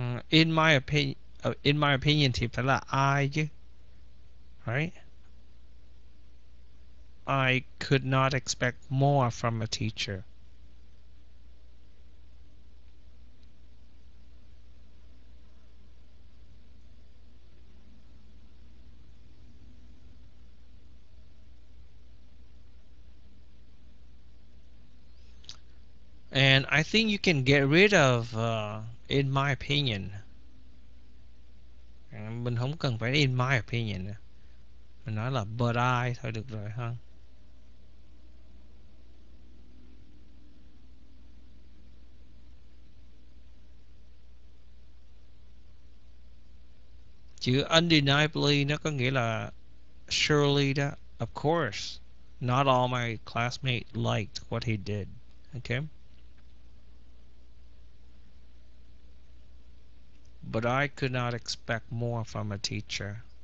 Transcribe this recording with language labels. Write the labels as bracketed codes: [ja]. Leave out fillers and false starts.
[en] In my opinion [vi] thì phải là I chứ. [en] Right? I could not expect more from a teacher. And I think you can get rid of in my opinion. [vi] Mình không cần phải [en] in my opinion. [vi] Mình nói là [en] but I [vi] thôi được rồi ha. Chữ undeniably nó có nghĩa là surely đó. [en] Of course, not all my classmates liked what he did. Okay. But I could not expect more from a teacher.